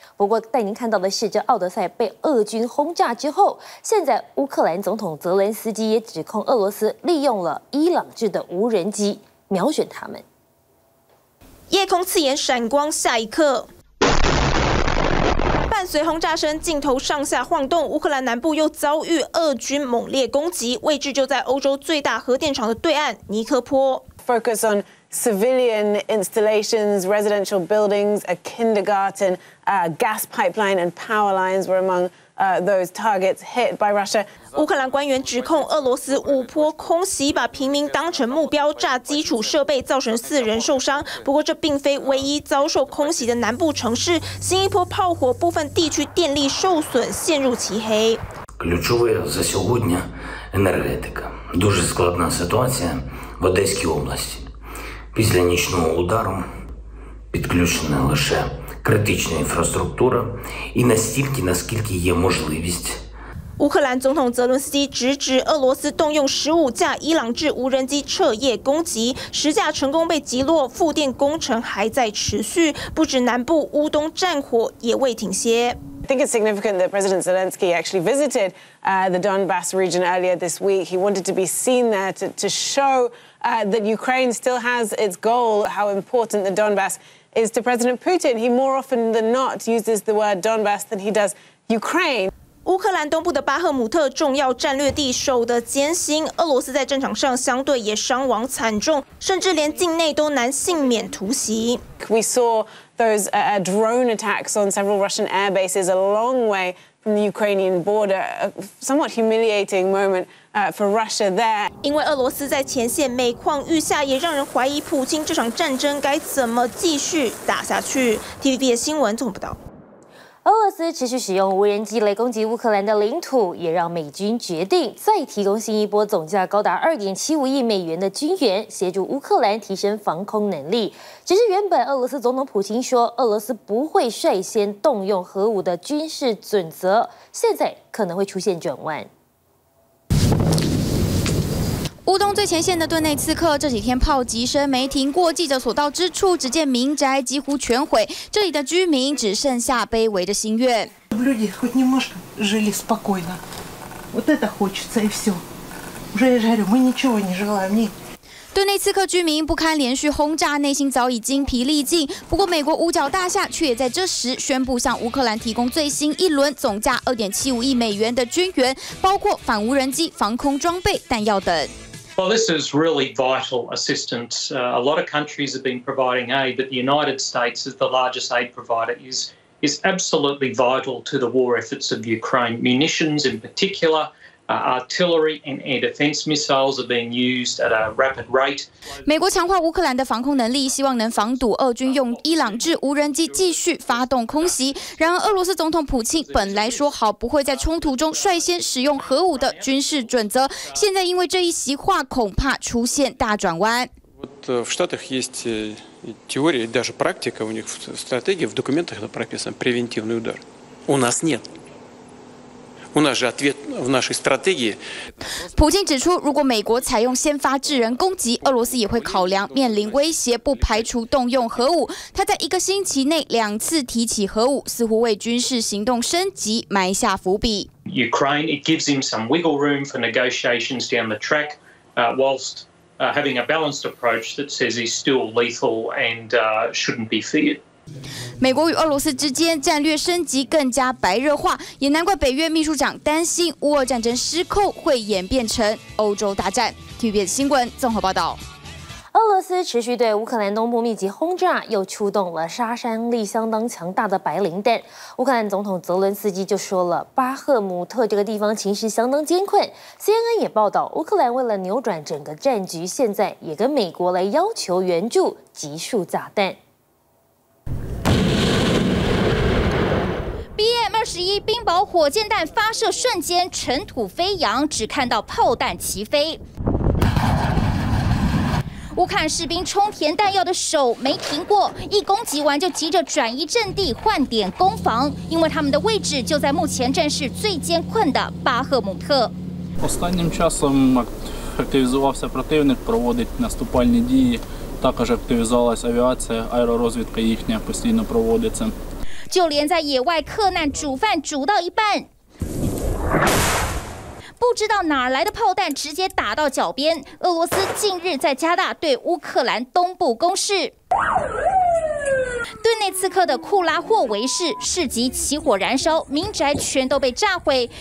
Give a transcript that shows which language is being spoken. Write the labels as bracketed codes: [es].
[zh] 不过带您看到的是，这奥德赛被俄军轰炸之后，现在乌克兰总统泽连斯基也指控俄罗斯利用了伊朗制的无人机瞄准他们。夜空刺眼闪光，下一刻伴随轰炸声，镜头上下晃动，乌克兰南部又遭遇俄军猛烈攻击，位置就在欧洲最大核电厂的对岸尼科坡。 [en] Focus on civilian installations, residential buildings, a kindergarten, gas pipeline and power lines were among those targets hit by Russia. [zh] 乌克兰官员指控俄罗斯武波空袭，把平民当成目标，炸基础设备，造成四人受伤。不过这并非唯一遭受空袭的南部城市，新一波炮火，部分地区电力受损，陷入漆黑。 [uk] Ключовая за сьогодні енергетика. Дуже складна ситуація в Одеській області. Після нічного удару підключена лише критична інфраструктура і настільки, наскільки є можливість. [zh] 乌克兰总统泽伦斯基直指俄罗斯动用15架伊朗制无人机彻夜攻击，10架成功被击落，复电工程还在持续。不止南部，乌东战火也未停歇。 [en] I think it's significant that President Zelensky actually visited the Donbass region earlier this week. He wanted to be seen there to show that Ukraine still has its goal. How important the Donbass is to President Putin. He more often than not uses the word Donbass than he does Ukraine. [zh] 乌克兰东部的巴赫姆特重要战略地守得艰辛，俄罗斯在战场上相对也伤亡惨重，甚至连境内都难幸免突袭。 [en] We saw those drone attacks on several Russian air bases a long way from the Ukrainian border, a somewhat humiliating moment for Russia there. [zh] 因为俄罗斯在前线每况愈下，也让人怀疑普京这场战争该怎么继续打下去。 TVB 的新闻总报道。俄罗斯持续使用无人机来攻击乌克兰的领土，也让美军决定再提供新一波总价高达2.75亿美元的军援，协助乌克兰提升防空能力。只是原本俄罗斯总统普京说俄罗斯不会率先动用核武的军事准则，现在可能会出现转弯。乌东最前线的顿内茨克这几天炮击声没停过，记者所到之处，只见民宅几乎全毁，这里的居民只剩下卑微的心愿。 [ru] Люди хоть немножко жили спокойно, вот это хочется и все. Уже я говорю, мы ничего не желаем. Ни [zh] 顿内茨克居民不堪连续轰炸，内心早已精疲力尽。不过，美国五角大厦却也在这时宣布向乌克兰提供最新一轮总价2.75亿美元的军援，包括反无人机、防空装备、弹药等。 [en] Well, this is really vital assistance. A lot of countries have been providing aid, but the United States is the largest aid provider. Is absolutely vital to the war efforts of Ukraine. Munitions, in particular. Artillery and air defense missiles are being used at a rapid rate. [zh] 美国强化乌克兰的防空能力，希望能防堵俄军用伊朗制无人机继续发动空袭。然而，俄罗斯总统普京本来说好不会在冲突中率先使用核武的军事准则，现在因为这一席话，恐怕出现大转弯。 [ru] В Штатах есть теория, даже практика, у них в стратегии, в документах это прописано, превентивный удар. У нас нет. У нас же ответ в нашей стратегии. [zh] 普京指出，如果美国采用先发制人攻击，俄罗斯也会考量面临威胁，不排除动用核武。他在一个星期内两次提起核武，似乎为军事行动升级埋下伏笔。 [en] Ukraine, it gives him some wiggle room for negotiations down the track, whilst having a balanced approach that says he's still lethal and shouldn't be feared. [zh] 美国与俄罗斯之间战略升级更加白热化，也难怪北约秘书长担心乌俄战争失控会演变成欧洲大战。 TVB 新闻综合报道。俄罗斯持续对乌克兰东部密集轰炸，又出动了杀伤力相当强大的白磷弹。乌克兰总统泽伦斯基就说了，巴赫姆特这个地方情势相当艰困。 CNN 也报道，乌克兰为了扭转整个战局，现在也跟美国来要求援助集束炸弹。 BM-21 冰雹火箭弹发射瞬间尘土飞扬，只看到炮弹齐飞。乌克兰士兵冲填弹药的手没停过，一攻击完就急着转移阵地换点攻防，因为他们的位置就在目前战事最艰困的巴赫姆特。 [uk] Останнім часом активізувався противник проводить наступальні дії, також активізувалась авіація, аеророзвідка їхня постійно проводиться. [zh] 就连在野外客难煮饭煮到一半，不知道哪来的炮弹直接打到脚边。俄罗斯近日在加大对乌克兰东部攻势，顿内茨克的库拉霍维市市集起火燃烧，民宅全都被炸毁。